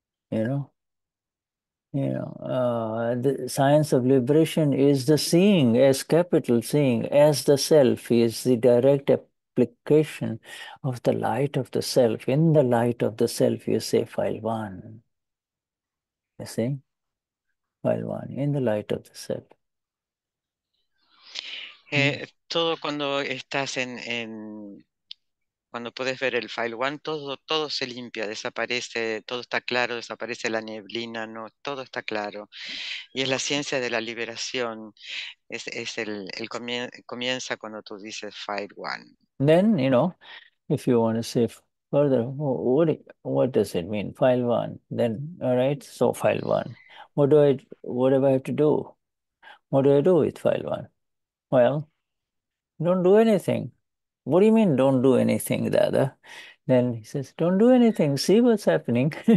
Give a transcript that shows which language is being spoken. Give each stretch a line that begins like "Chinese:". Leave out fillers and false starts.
English: You know, the science of liberation is the seeing, S capital seeing, as the self is the direct application of the light of the self. In the light of the self, you say file one. You see? File one, in the light of the self.
Spanish: Todo cuando estás en cuando puedes ver el file one, todo se limpia, desaparece, todo está claro, desaparece la neblina, no, todo está claro. Y es la ciencia de la liberación, es el comienza cuando tú dices file one.
English: Then, you know, if you want to say further, what does it mean, file one? Then, all right, so file one. What do I have to do? What do I do with file one? Well, don't do anything. What do you mean, don't do anything, Dada? Then he says, don't do anything. See what's happening.